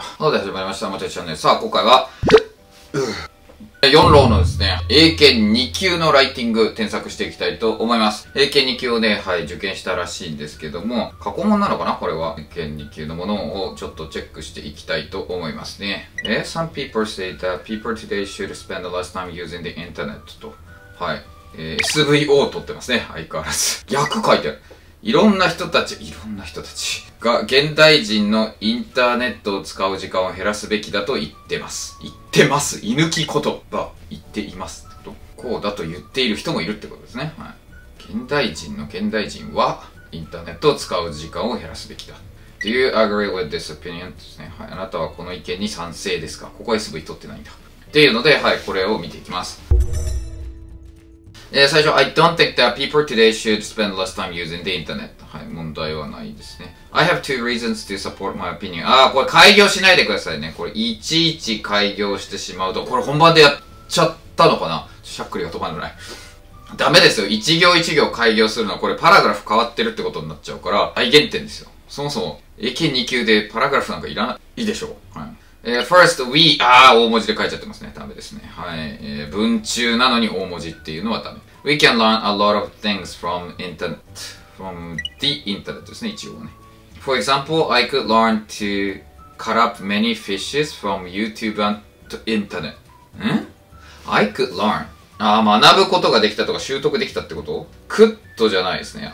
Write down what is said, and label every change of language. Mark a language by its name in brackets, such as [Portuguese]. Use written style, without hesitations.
[Japanese] ほうで始まりました、もてつチャンネル。さあ今回は4浪のですね、英検2級のライティング添削していきたいと思います。英検2級をね、はい、受験したらしいんですけども、過去問なのかなこれは。英検2級のものをちょっとチェックしていきたいと思いますね。 [English] Some people say that people today should spend the last time using the internet [Japanese] と、はい、SVO を取ってますね。相変わらず逆書いてある。いろんな人たちが現代人のインターネットを使う時間を減らすべきだと言ってます。言ってます。居抜き言葉言っていますってこと。こうだと言っている人もいるってことですね、はい、現代人の現代人はインターネットを使う時間を減らすべきだ。 [English] Do you agree with this opinion? [Japanese] ですね、はい、あなたはこの意見に賛成ですか。ここは SV 取ってないんだっていうので、はい、これを見ていきます。 [English] 最初、I don't think that people today should spend less time using the internet. [Japanese] はい、問題はないですね。 [English] I have two reasons to support my opinion. [Japanese] ああ、これ開業しないでくださいね。これいちいち開業してしまうと、これ本番でやっちゃったのかな?しゃっくりが止まらない。ダメですよ。一行一行開業するのは、これパラグラフ変わってるってことになっちゃうから、大減点ですよ。そもそも、英検2級でパラグラフなんかいらない、いいでしょう。はい。 [English] First, we, [Japanese] 大文字で書いちゃってますね。ダメですね。はい。文中なのに大文字っていうのはダメ。 [English] We can learn a lot of things from internet. From the internet [Japanese] ですね、一応ね。 [English] For example, I could learn to cut up many fishes from YouTube and internet. ん?I could learn. [Japanese] 学ぶことができたとか習得できたってこと?could じゃないですね。